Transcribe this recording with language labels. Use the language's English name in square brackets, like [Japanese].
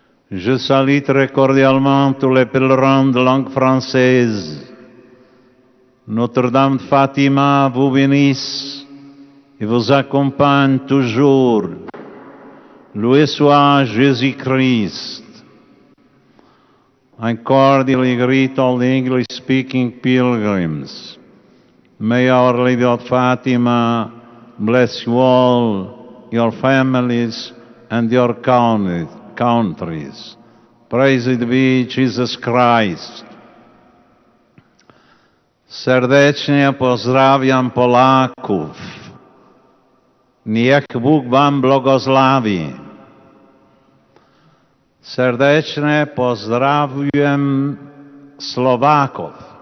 [French] Je salue très cordialement tous les pèlerins de langue française. Notre-Dame de Fatima vous bénisse et vous accompagne toujours. Louis soit Jésus-Christ. [English] I cordially greet all the English-speaking pilgrims. May Our Lady of Fatima bless you all, your families and your countries. Praised be Jesus Christ. [Polish] Serdecznie pozdrawiam Polaków. Niech Bóg wam błogosławi. Serdecznie pozdrawiam Słowaków.